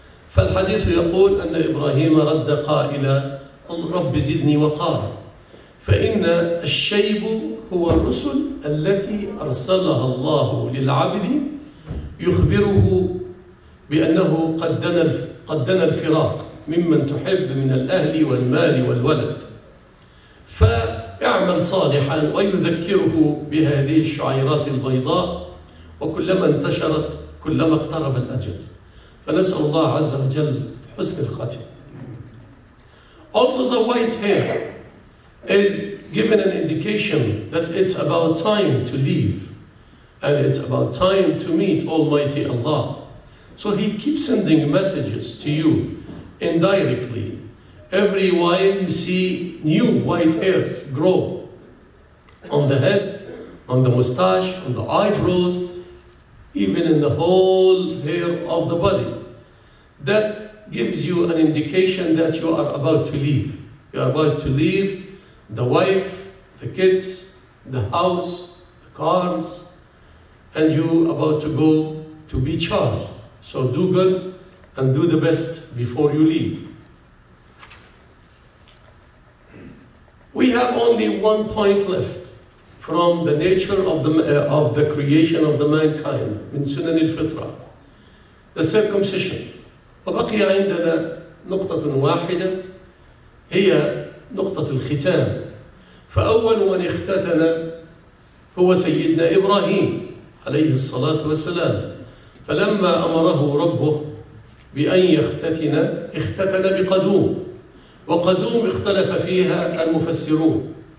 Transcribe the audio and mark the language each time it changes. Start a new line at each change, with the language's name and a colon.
Arabic: فالحديث يقول أن إبراهيم رد قائلا رب زدني وقارا، فإن الشيب هو الرسل التي أرسلها الله للعبد يخبره بأنه قدنا الفراق ممن تحب من الأهل والمال والولد، فاعمل صالحا، ويذكره بهذه الشعيرات البيضاء، وكلما انتشرت كلما اقترب الأجل. فنسأل الله عز وجل حسن الخاتمة.
English: Also the white hair is given an indication that it's about time to leave and it's about time to meet Almighty Allah. So he keeps sending messages to you indirectly. Every while you see new white hairs grow on the head, on the mustache, on the eyebrows, even in the whole hair of the body. That gives you an indication that you are about to leave. You are about to leave the wife, the kids, the house, the cars, and you are about to go to be charged. So do good and do the best before you leave. We have only one point left from the nature of the creation of the mankind,
Arabic: من سنن الفطرة,
English: the circumcision.
Arabic: وبقي عندنا نقطة واحدة هي نقطة الختام. فأول من اختتن هو سيدنا إبراهيم عليه الصلاة والسلام، فلما أمره ربه بأن يختتن اختتن بقدوم، وقدوم اختلف فيها المفسرون.